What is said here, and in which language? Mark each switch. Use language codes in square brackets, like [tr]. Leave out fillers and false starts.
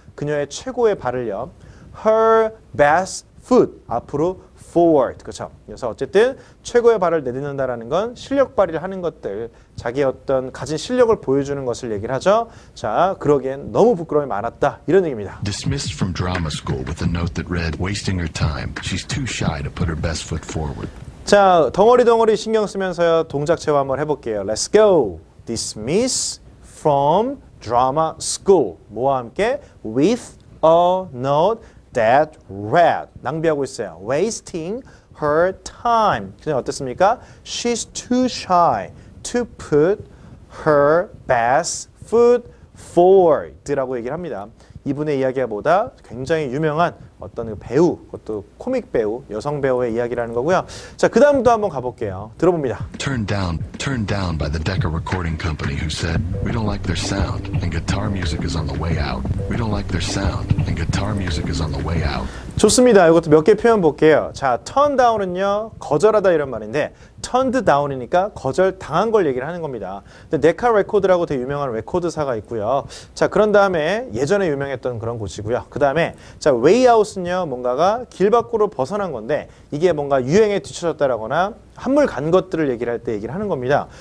[ko] 그녀의 최고의 발을요. [en] her best foot [ko] 앞으로 [en] forward [ko] 그렇죠. 그래서 어쨌든 최고의 발을 내딛는다라는 건 실력 발휘를 하는 것들, 자기 어떤 가진 실력을 보여주는 것을 얘기를 하죠. 자, 그러기엔 너무 부끄러움이 많았다 이런 얘기입니다. [en] Dismissed from drama school with a note that read, wasting her time. She's too shy to put her best foot forward. [ko] 자, 덩어리 덩어리 신경 쓰면서요 동작체 한번 해볼게요. [en] Let's go. Dismissed from drama school. [ko] 뭐와 함께? [en] With a note. That rat [ko] 낭비하고 있어요. [en] Wasting her time. [ko] 그녀 어땠습니까? [en] She's too shy to put her best foot forward. [ko] 라고 얘기를 합니다. 이분의 이야기보다 굉장히 유명한 어떤 배우, 그것도 코믹 배우, 여성 배우의 이야기라는 거고요. 자, 그 다음도 한번 가볼게요. 들어봅니다. [en] Turned down by the Decca Recording Company who said, We don't like their sound and guitar music is on the way out. We don't like their sound and guitar music is on the way out. [ko] 좋습니다. 이것도 몇 개 표현 볼게요. 자, turn down은요, 거절하다 이런 말인데, turned down이니까 거절 당한 걸 얘기를 하는 겁니다. 근데 Decca Record라고 되게 유명한 레코드사가 있고요. 자, 그런 다음에 예전에 유명했던 그런 곳이고요. 그 다음에, 자, way out 아웃은요 뭔가가 길 밖으로 벗어난 건데 이게 뭔가 유행에 뒤쳐졌다라거나 한물 간 것들을 얘기를 할 때 얘기를 하는 겁니다.